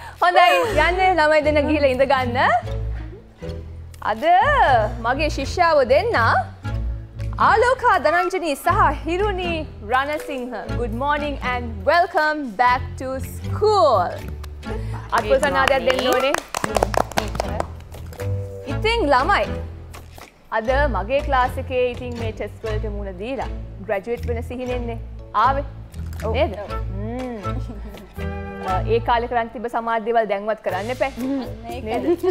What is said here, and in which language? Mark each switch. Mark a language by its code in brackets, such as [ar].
[si] හොඳයි යන්නේ ළමයි දෙන්න ගිහලා ඉඳ ගන්න. අද මගේ ශිෂ්‍යාව දෙන්න ආලෝකා දනංජනී සහ හිරුනි Ranasinghe. [en] Good morning and welcome back to school. [si] අත්පොල සන්නාදයක් දෙන්න ඕනේ. ඉතින් ළමයි අද මගේ ක්ලාස් එකේ ඉතින් මේ ටෙස්ට් වලට මුණ දීලා ග්‍රැජුවේට් වෙන සිහිනෙන්නේ ආවේ නේද? ඒ කාලේ කරන් තිබ්බ සමාජ දේවල් දැන්වත් කරන්න එපා නේද?